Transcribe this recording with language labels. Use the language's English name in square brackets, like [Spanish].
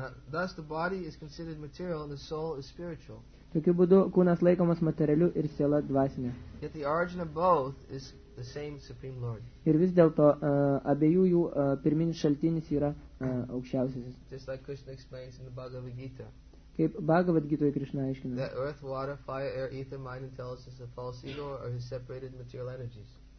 [English] Thus the body is considered material and the soul is spiritual. [Lithuanian] Tokiu būdu kūnas laikomas materialiu ir siela dvasinė. [English] Yet the origin of both is the same Supreme Lord. [Lithuanian] Ir vis dėlto abiejų jų pirminis šaltinis yra aukščiausiasis. [English] Just like Krishna explains in the Bhagavad Gita. [Lithuanian] Kaip Bhagavad Gita Krishna aiškina. [English] That earth, water, fire, air, ether, mind, intelligence, the false ego are his separated material energies.